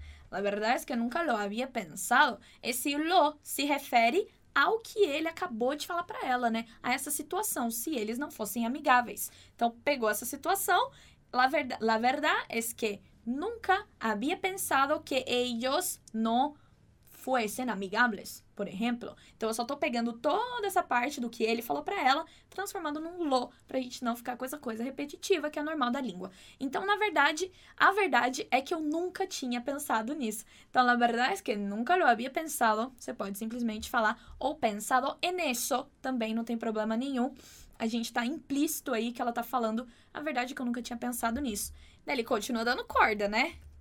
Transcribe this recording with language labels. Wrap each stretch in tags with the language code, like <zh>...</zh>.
<es>La verdad es que nunca lo había pensado.</es> <pt>Esse lo se refere ao que ele acabou de falar para ela, né? A essa situação, se eles não fossem amigáveis. Então, pegou essa situação.</pt> <es>La verdad es que nunca había pensado que ellos no fuesen amigables, por exemplo.</es> <pt>Então, eu só estou pegando toda essa parte do que ele falou para ela, transformando num lo, para a gente não ficar com essa coisa repetitiva, que é normal da língua. Então, na verdade, a verdade é que eu nunca tinha pensado nisso.</pt> <es>Então, la verdad es que nunca lo había pensado.</es> <pt>Você pode simplesmente falar ou pensado en eso, também não tem problema nenhum. A gente está implícito aí que ela está falando a verdade é que eu nunca tinha pensado nisso. Daí ele continua dando corda, né?</pt>